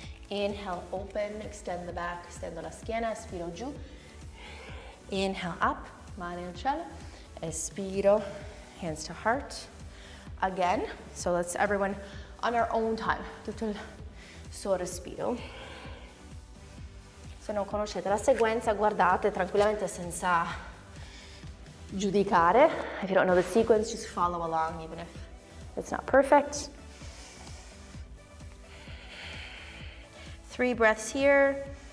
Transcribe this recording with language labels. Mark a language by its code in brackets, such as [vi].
[en] Inhale, open, extend the back, [it] estendo la schiena, espiro giù. [en] Inhale, up, [it] mani al cielo. Espiro, [en] hands to heart. Again, so let's everyone on our own time. [it] Tutto il suo respiro. Se non conoscete la sequenza, guardate tranquillamente senza giudicare. [en] If you don't know the sequence, just follow along, even if it's not perfect. Three breaths here.